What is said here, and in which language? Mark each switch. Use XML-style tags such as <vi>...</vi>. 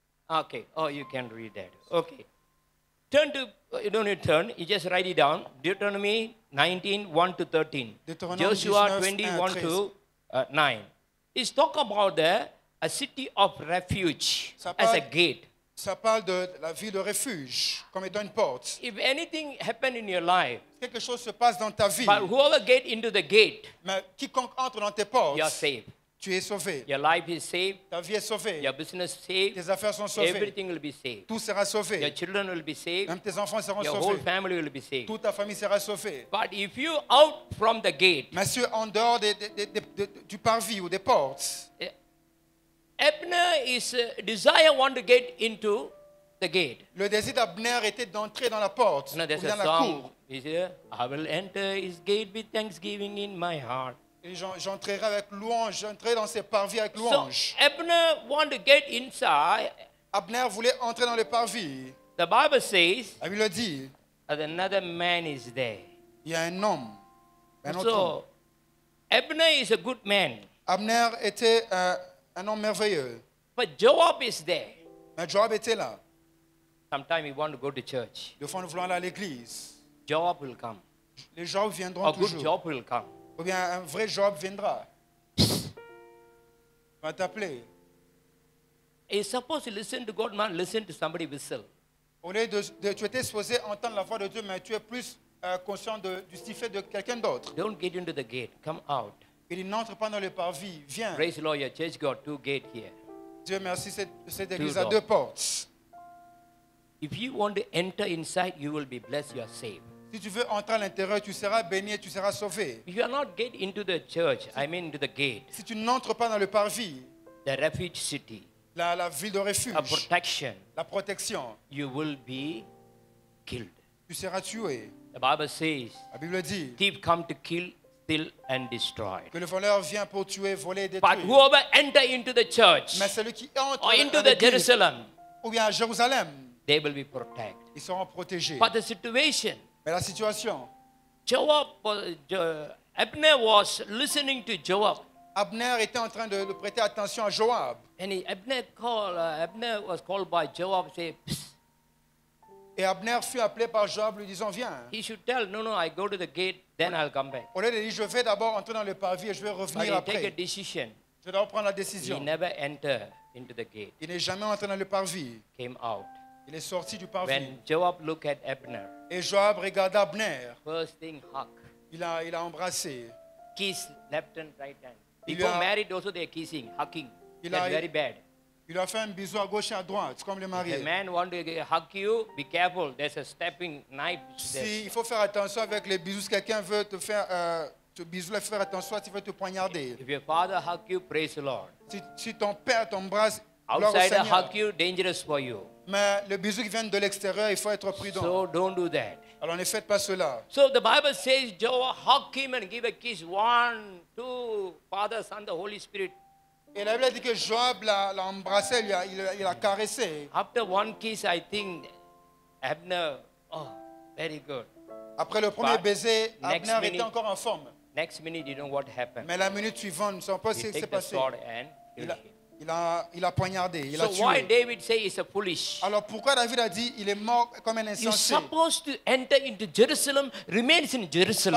<en>Okay. Oh, you can read that. Okay. Turn to, you don't need to turn. You just write it down. Deuteronomy 19:1-13. Joshua 21:1-9. It's talk about a city of refuge as a gate.</en> <fr>Ça parle de la ville de refuge, comme étant une porte.</fr> <en>If anything happened in your life,</en> <fr>quelque chose se passe dans ta vie,</fr> <en>but whoever get into the gate,</en> <fr>mais quiconque entre dans tes portes,</fr> <en>you're safe.</en> <fr>Tu es sauvé.</fr> <en>Your life is saved.</en> <fr>Ta vie est sauvée.</fr> <en>Your business is saved.</en> <fr>Tes affaires sont sauvées.</fr> <en>Everything will be saved.</en> <fr>Tout sera sauvé.</fr> <en>Your children will be saved.</en> <fr>Même tes enfants seront</fr> <en>Your</en> <fr>sauvés.</fr> <en>Your whole family will be saved.</en> <fr>Toute ta famille sera sauvée.</fr> <en>But if you out from the gate.</en> <fr>Mais si en dehors du parvis ou des portes.</fr> <en>Abner is desire want to get into the gate.</en> <fr>Le désir d'Abner était d'entrer dans la porte ou dans la cour.</fr> <en>He said, I will enter his gate with thanksgiving in my heart.</en> <fr>J'entrerai avec louange, j'entrerai dans ses parvis avec louange.</fr> <en>So, Abner want to get inside.</en> <fr>Abner voulait entrer dans le parvis.</fr> <en>The Bible says,</en> <fr>la Bible dit,</fr> <en>that another man is there.</en> <fr>Il y a un homme.</fr> <en>So, Abner is a good man.</en> <fr>Abner était un homme merveilleux.</fr> <en>But Joab is there.</en> <fr>Mais Joab était là.</fr> <en>Sometimes he want to go to church.</en> <fr>De fois, nous voulons aller à l'église.</fr> <en>Joab will come.</en> <fr>Les gens viendront a toujours.</fr> <en>A good Joab will come.</en> <fr>Ou bien un vrai Job viendra. Il va t'appeler. Et</fr> <en>supposed to listen to God, man, listen to somebody whistle.</en> <fr>Au lieu de tu étais supposé entendre la voix de Dieu, mais tu es plus conscient du sifflet de quelqu'un d'autre.</fr> <en>Don't get into the gate. Come out.</en> <fr>Il n'entre pas dans le parvis. Viens.</fr> <en>Praise the Lord, your church got two gates here.</en> <fr>Dieu merci, cette église a deux portes.</fr> <en>If you want to enter inside, you will be blessed. You are saved.</en> <fr>Si tu veux entrer à l'intérieur, tu seras béni et tu seras sauvé.</fr> <en>You are not get into the church, I mean into the gate.</en> <fr>Si tu n'entres pas dans le parvis,</fr> <en>the refuge city,</en> <fr>la ville de refuge, la protection,</fr> <en>you will be killed.</en> <fr>Tu seras tué.</fr> <en>The Bible says,</en> <fr>la Bible dit,</fr> <en>thief come to kill, steal and destroy.</en> <fr>Que le voleur vient pour tuer, voler et détruire.</fr> <en>But whoever enter into the church,</en> <fr>mais celui qui entre</fr> <en>or into the Jerusalem,</en> <fr>ou bien à Jérusalem,</fr> <en>they will be protected.</en> <fr>Ils seront protégés.</fr> <en>But the situation.</en> <fr>Mais la situation.</fr> <en>Abner was listening to Joab.</en> <fr>Abner était en train de prêter attention à Joab.</fr> <en>And Abner was called by Joab, say, psst.</en> <fr>Et Abner fut appelé par Joab, lui disant, viens.</fr> <en>He should tell, no, I go to the gate, then I'll come back.</en> <fr>Au lieu de dire, je vais d'abord entrer dans le parvis et je vais revenir</fr> <en>But</en> <fr>après.</fr> <en>He take a decision.</en> <fr>Je dois prendre la décision.</fr> <en>He never enter into the gate.</en> <fr>Il n'est jamais entré dans le parvis.</fr> <en>Came out.</en> <fr>Il est sorti du parvis.</fr> <en>When Joab looked at Abner.</en> <fr>Et Joab regarda Abner.</fr> <en>First thing, hug.</en> <fr>Il a embrassé.</fr> <en>Kiss left and right hand. Before married also they are kissing, hugging. That's very bad.</en> <fr>Il a fait un bisou à gauche et à droite, comme les mariés.</fr> <en>If a man want to hug you, be careful. There's a stepping knife.</en> <fr>Si, il faut faire attention avec les bisous. Si quelqu'un veut te faire te bisouer, faire attention, tu veux te poignarder.</fr> <en>If your father hug you, praise the Lord.</en> <fr>Si ton père t'embrasse,</fr> <en>outside hug you, dangerous for you.</en> <fr>Mais le bisou qui vient de l'extérieur, il faut être prudent.</fr> <en>So don't do that.</en> <fr>Alors ne faites pas cela.</fr> <en>So the Bible says, Joab hug him and give a kiss. 1, 2, Father, Son, the Holy Spirit.</en> <fr>Et la Bible dit que Joab l'a embrassé, il a caressé.</fr> <en>After one kiss, I think Abner, very good.</en> <fr>Après le premier baiser, Abner était encore en forme.</fr> <en>Next minute, you know what happened.</en> <fr>Mais la minute suivante, nous ne savons pas ce qui s'est passé. Il a poignardé, il</fr> <en>so</en> <fr>a tué.</fr> <en>So why David say he's a foolish?</en> <fr>Alors pourquoi David a dit il est mort comme un insensé?</fr> <en>He's supposed to enter into Jerusalem, remains in Jerusalem.</en>